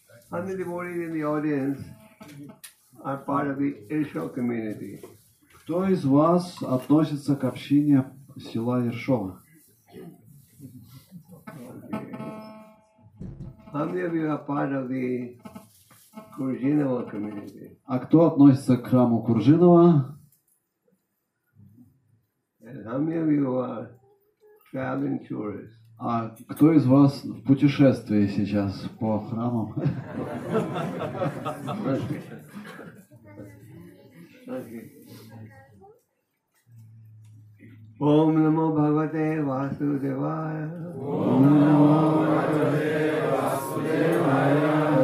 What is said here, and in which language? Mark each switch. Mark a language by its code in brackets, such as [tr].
[en] How many devotees in the audience are part of the Irshov community? [ru] Кто из вас относится к общине села Иршова? [en] How many of you are part of the Куржинова community? [ru] А кто относится к храму Куржинова? [en] And how many of you are traveling tourists? [ru] А кто из вас в путешествии сейчас по храму? [sa] Ом намо Бхагавате Васудевая. Ом намо Бхагавате Васудевая.